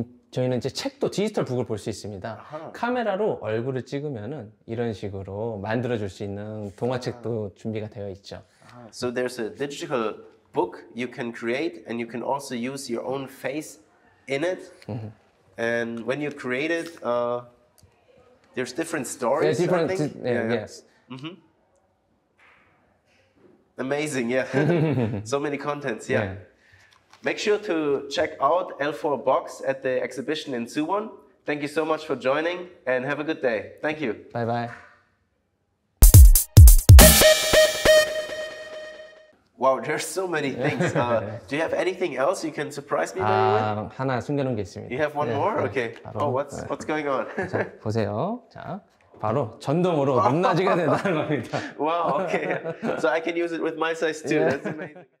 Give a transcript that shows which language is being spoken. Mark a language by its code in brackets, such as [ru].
[ko] 저희는 이제 책도 디지털 북을 볼 수 있습니다. 카메라로 얼굴을 찍으면은 이런 식으로 만들어줄 수 있는 동화책도 uh-huh. 준비가 되어 있죠. [en] So there's a digital book you can create and you can also use your own face in it. Uh-huh. And when you create it, there's different stories, yeah, different, I think. Yes. Mm-hmm. Amazing, yeah. So many contents, yeah. yeah. Make sure to check out Elpobox at the exhibition in Suwon. Thank you so much for joining and have a good day. Thank you. Bye bye. Wow, there are so many things. do you have anything else you can surprise me by? [ko] 하나 숨겨놓은 게 있습니다. [en] You have one yeah, more? Yeah, okay. [ko] 바로, [en] oh, what's going on? [ko] 자, 보세요. 자, 바로 전동으로 높낮이가 된다는 겁니다. [en] Wow, okay. So I can use it with my size too. Yeah. That's amazing.